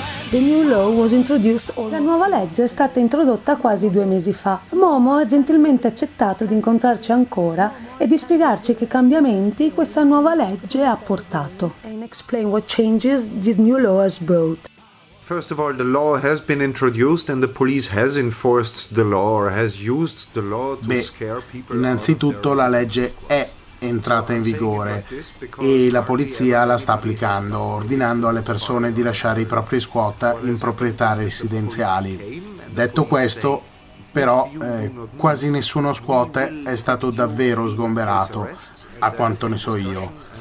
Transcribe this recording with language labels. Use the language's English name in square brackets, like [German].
[Italian] La nuova legge è stata introdotta quasi 2 mesi fa. Momo ha gentilmente accettato di incontrarci ancora e di spiegarci che cambiamenti questa nuova legge ha portato. [English] And explain what changes this new law has brought. First of all, the law has been introduced and the police has enforced the law or has used the law to scare people. [Italian] Innanzitutto la legge è entrata in vigore e la polizia la sta applicando, ordinando alle persone di lasciare i propri squat in proprietà residenziali. Detto questo, però, quasi nessuno squat è stato davvero sgomberato, a quanto ne so io.